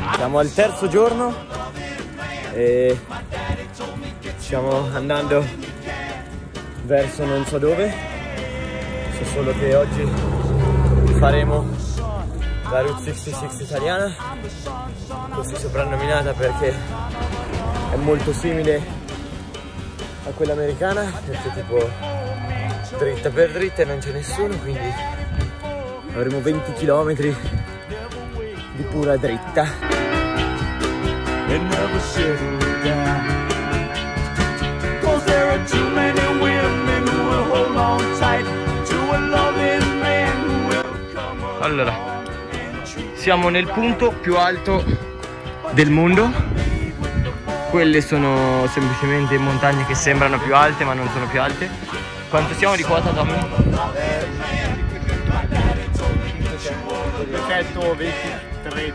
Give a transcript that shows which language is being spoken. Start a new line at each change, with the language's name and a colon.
Italian: Al terzo giorno e stiamo andando verso non so dove, so solo che oggi faremo la Route 66 italiana, così soprannominata perché è molto simile a quella americana, perché tipo dritta per dritta e non c'è nessuno, quindi avremo 20 km di pura dritta.
English: And never settle down, 'cause there are too many women who will hold on tight to a loving man who will come.
Italian: Allora, siamo nel punto più alto del mondo. Quelle sono semplicemente montagne che sembrano più alte ma non sono più alte. Quanto siamo di quota, Tommy? Perfetto, 23